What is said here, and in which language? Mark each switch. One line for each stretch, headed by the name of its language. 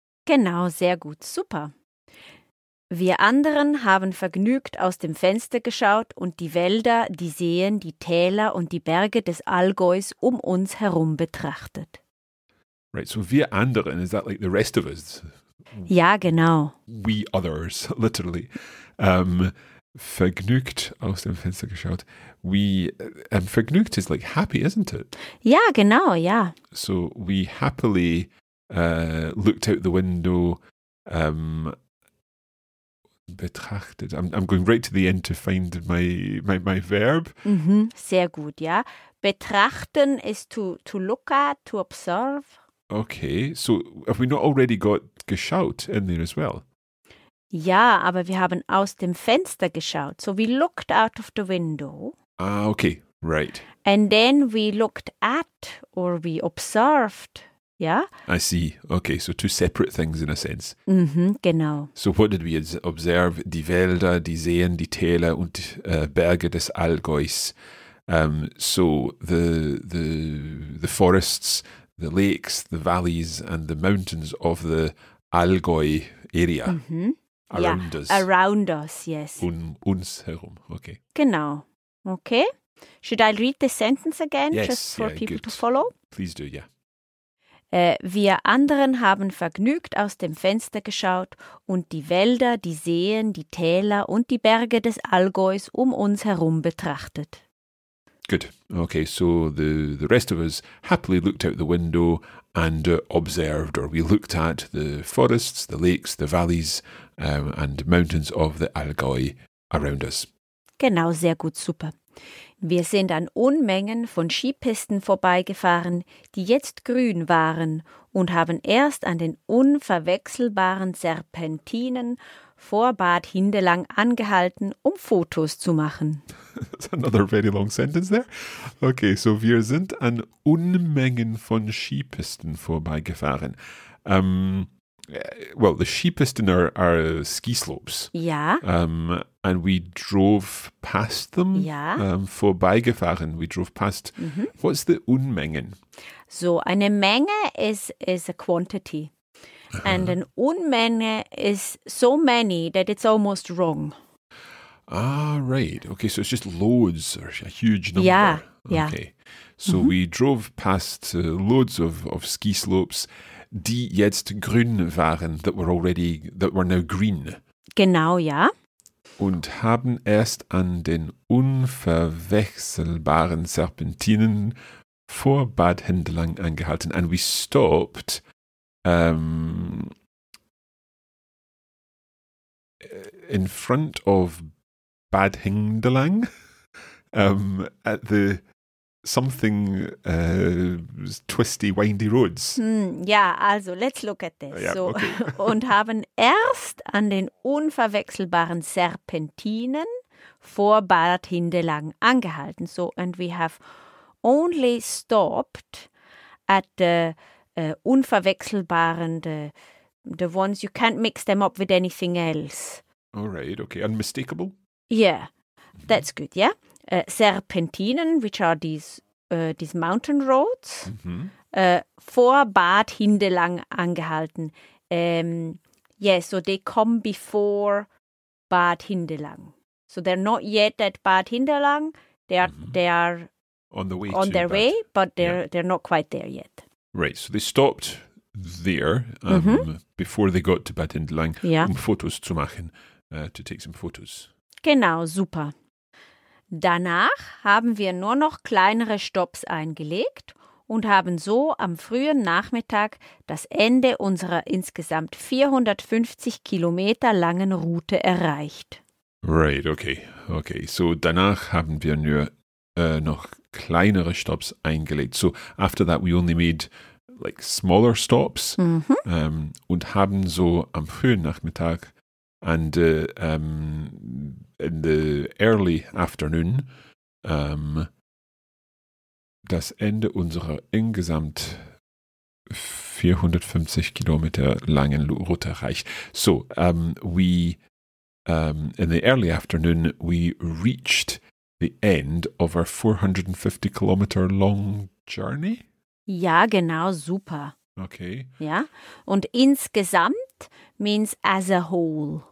German: Genau, sehr gut, super. Wir anderen haben vergnügt aus dem Fenster geschaut und die Wälder, die Seen, die Täler und die Berge des Allgäus um uns herum betrachtet.
English: Right, so
German: wir anderen,
English: is that like the rest of us?
German: Ja, genau.
English: We others, literally.
German: Vergnügt aus dem Fenster geschaut.
English: Vergnügt is like happy, isn't it?
German: Ja, genau, ja.
English: So we happily looked out the window, betrachtet. I'm going right to the end to find my verb.
German: Mm-hmm. Sehr gut, ja.
English: Betrachten is to look at, to observe. Okay, so have we not already got geschaut in there as well?
German: Ja, aber wir haben aus dem Fenster geschaut.
English: So we looked out of the window. Ah, okay, right. And then we looked at or we observed. Yeah. I see. Okay, so two separate things in a sense.
German: Mm-hmm, genau.
English: So what did we observe?
German: Die Wälder, die Seen, die Täler und Berge des Allgäus.
English: So the forests, the lakes, the valleys and the mountains of the Allgäu area us. Around us, yes.
German: Uns herum, okay. Genau. Okay.
English: Should I read the sentence again just for people to follow? Please do, yeah. Wir anderen haben vergnügt aus dem Fenster geschaut und die Wälder, die Seen, die Täler und die Berge des Allgäus um uns herum betrachtet. Good. Okay, so the rest of us happily looked out the window and observed, or we looked at the forests, the lakes, the valleys and mountains of the Allgäu around us.
German: Genau, sehr gut, super. Wir sind an Unmengen von Skipisten vorbeigefahren, die jetzt grün waren und haben erst an den unverwechselbaren Serpentinen vor Bad Hindelang angehalten, um Fotos zu machen.
English: That's another very long sentence there.
German: Okay, so wir sind an Unmengen von Skipisten vorbeigefahren.
English: Well, the Skipisten are ski slopes. Yeah. And we drove past them. Yeah. Vorbeigefahren. We drove past. Mm-hmm. What's the Unmengen? So, eine Menge is a quantity. Uh-huh. And an Unmenge is so many that it's almost wrong. Ah, right. Okay, so it's just loads or a huge number. Yeah, yeah. Okay. So mm-hmm. we drove past loads of ski slopes,
German: die jetzt grün waren,
English: that were now green.
German: Genau, ja. Und haben erst an den unverwechselbaren Serpentinen vor Bad Hindelang angehalten.
English: And we stopped. In front of Bad Hindelang, at the something twisty, windy roads. Yeah, also let's look at this. Yeah, so, okay.
German: Und haben erst an den unverwechselbaren Serpentinen vor Bad Hindelang angehalten.
English: So, and we have only stopped at the unverwechselbaren, the ones, you can't mix them up with anything else. All right, okay. Unmistakable? Yeah, that's good, yeah. Serpentinen, which are these mountain roads,
German: vor Bad Hindelang angehalten.
English: Yeah, so they come before Bad Hindelang. So they're not yet at Bad Hindelang. They are on their way, but they're not quite there yet. Right, so they stopped there before they got to Bad Hindelang,
German: Fotos zu machen,
English: to take some photos.
German: Genau, super. Danach haben wir nur noch kleinere Stops eingelegt und haben so am frühen Nachmittag das Ende unserer insgesamt 450 Kilometer langen Route erreicht.
English: Right, okay.
German: Okay, so danach haben wir nur noch kleinere Stops eingelegt.
English: So after that we only made like smaller stops
German: und haben so am frühen Nachmittag
English: and in the early afternoon
German: das Ende unserer insgesamt 450 Kilometer langen Route erreicht.
English: So in the early afternoon we reached the end of our 450 kilometer long journey.
German: Ja, genau, super.
English: Okay.
German: Ja, und insgesamt
English: means as a whole.